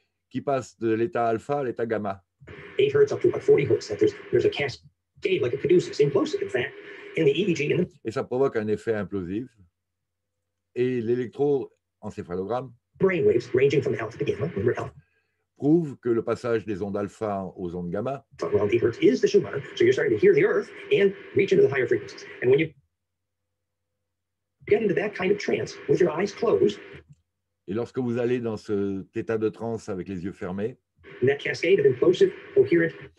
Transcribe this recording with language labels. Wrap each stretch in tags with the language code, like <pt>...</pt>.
<fr>Qui passe de l'état alpha à l'état gamma.</fr> <en>8 hertz up to about 40 hertz. There's a cascade like a caduceus, implosive in fact, in the EEG.</en> <fr>Et ça provoque un effet implosif. Et l'électroencéphalogramme</fr> <en>brain waves ranging from alpha to gamma. Remember alpha.</en> <fr>Prouve que le passage des ondes alpha aux ondes gamma</fr> <en>is the Schumann, so you're starting to hear the earth and reach into the higher frequencies. And when you get into that kind of trance with your eyes closed,</en> <fr>et lorsque vous allez dans cet état de transe avec les yeux fermés,</fr> <en>that cascade of implosive coherent,</en>